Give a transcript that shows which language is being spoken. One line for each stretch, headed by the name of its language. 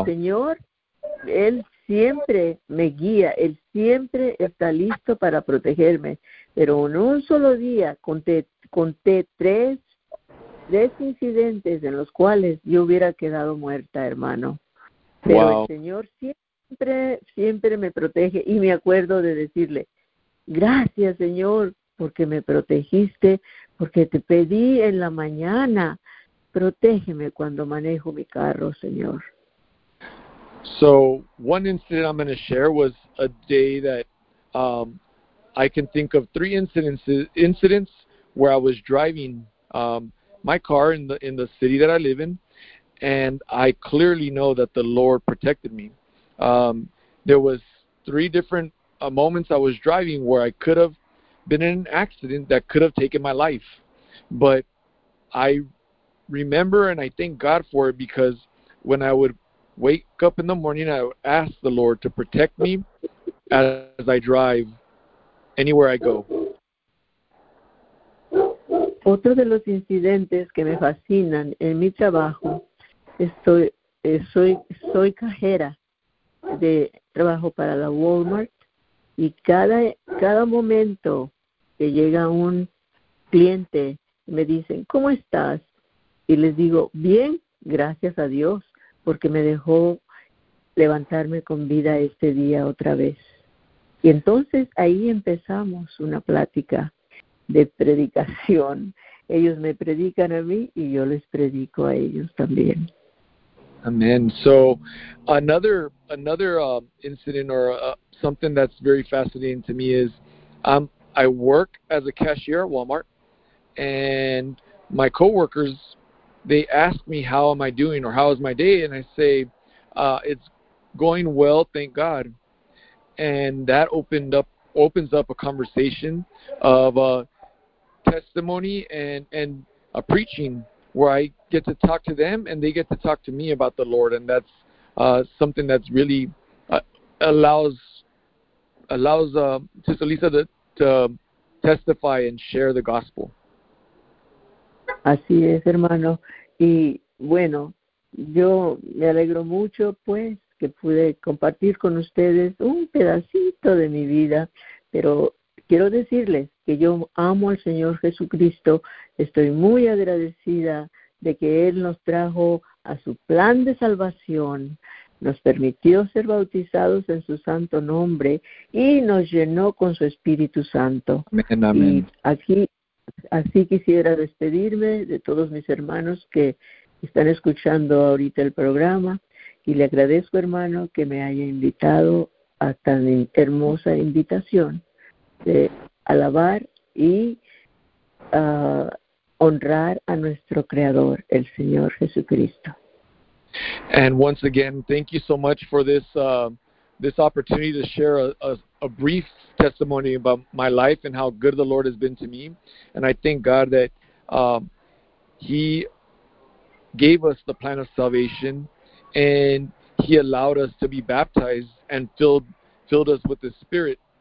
Spanish: El Señor, Él siempre me guía, Él siempre está listo para protegerme, pero en un solo día conté tres incidentes en los cuales yo hubiera quedado muerta, hermano. Pero wow. El Señor siempre, siempre me protege y me acuerdo de decirle, gracias, Señor, porque me protegiste, porque te pedí en la mañana Protégeme cuando manejo mi carro, Señor.
English: So one incident I'm going to share was a day that I can think of three incidents where I was driving my car in the city that I live in, and I clearly know that the Lord protected me. There was three different moments I was driving where I could have been in an accident that could have taken my life, but I remember and I thank God for it, because when I would wake up in the morning, I would ask the Lord to protect me as I drive anywhere I go.
Spanish: Otro de los incidentes que me fascinan en mi trabajo, soy cajera de trabajo para la Walmart, y cada momento que llega un cliente, me dicen, ¿cómo estás? Y les digo, bien, gracias a Dios, porque me dejó levantarme con vida este día otra vez. Y entonces ahí empezamos una plática de predicación. Ellos me predican a mí y yo les predico a ellos también.
English: Amen. So another incident or something that's very fascinating to me is I work as a cashier at Walmart, and my coworkers, they ask me how am I doing or how is my day, and I say, it's going well, thank God. And that opens up a conversation of a testimony and a preaching, where I get to talk to them and they get to talk to me about the Lord. And that's something that's really allows Sister Lisa to testify and share the gospel.
Spanish: Así es, hermano. Y bueno, yo me alegro mucho, pues, que pude compartir con ustedes un pedacito de mi vida, pero quiero decirles que yo amo al Señor Jesucristo. Estoy muy agradecida de que Él nos trajo a su plan de salvación, nos permitió ser bautizados en su santo nombre y nos llenó con su Espíritu Santo. Amén, amén. Y aquí, así quisiera despedirme de todos mis hermanos que están escuchando ahorita el programa, y le agradezco, hermano, que me haya invitado a tan hermosa invitación de alabar y honrar a nuestro Creador, el Señor Jesucristo.
English: And once again, thank you so much for this this opportunity to share a brief testimony about my life and how good the Lord has been to me. And I thank God that He gave us the plan of salvation, and He allowed us to be baptized and filled us with the Spirit.